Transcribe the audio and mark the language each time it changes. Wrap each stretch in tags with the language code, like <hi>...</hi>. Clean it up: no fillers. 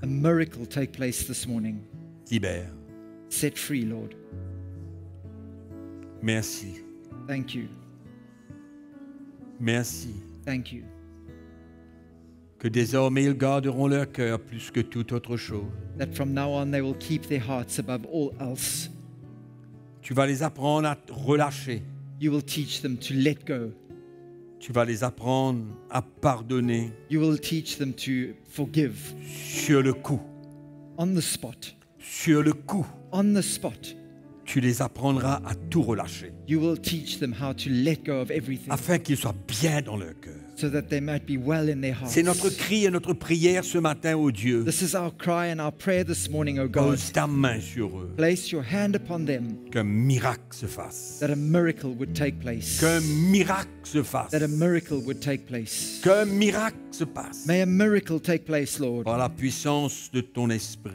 <en>A miracle take place this morning.</en> <fr>Libère.</fr> <en>Set free, Lord.</en> <fr>Merci.</fr> <en>Thank you.</en> <fr>Merci.</fr> <en>Thank you.</en> <fr>Que désormais ils garderont leur cœur plus que toute autre chose.</fr> <en>That from now on they will keep their hearts above all else.</en> <fr>Tu vas les apprendre à relâcher.</fr> <en>You will teach them to let go.</en> <fr>Tu vas les apprendre à pardonner.</fr> <en>You will teach them to forgive.</en> <fr>Sur le coup.</fr> <en>On the spot.</en> <fr>Sur le coup.</fr> <en>On the spot.</en> <fr>Tu les apprendras à tout relâcher.</fr> <en>You will teach them how to let go of everything.</en> <fr>Afin qu'ils soient bien dans leur cœur.</fr> <en>So that they might be well in their hearts.</en> <fr>C'est notre cri et notre prière ce matin, ô Dieu.</fr> <en>This is our cry and our prayer this morning, O God.</en> <fr>Pose ta main sur eux.</fr> <en>Place your hand upon them.</en> <fr>Qu'un miracle se fasse.</fr> <en>That a miracle would take place.</en> <fr>Qu'un miracle se fasse.</fr> <en>That a miracle would take place.</en> <fr>Qu'un miracle se passe.</fr> <en>May a miracle take place, Lord.</en> <fr>Par la puissance de ton esprit.</fr>